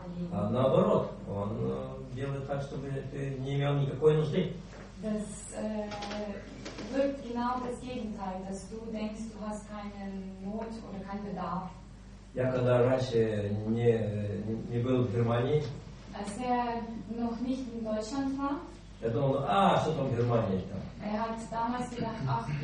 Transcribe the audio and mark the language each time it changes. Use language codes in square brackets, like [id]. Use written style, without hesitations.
[ru] Наоборот, он делает так, чтобы ты не имел никакой нужды. [de] Das wirkt genau das Gegenteil, dass du denkst, du hast keinen Not oder keinen Bedarf. [ru] Я когда раньше не был в Германии. [de] Als er noch nicht in Deutschland war, [ru] я думал, а, что там Германия там?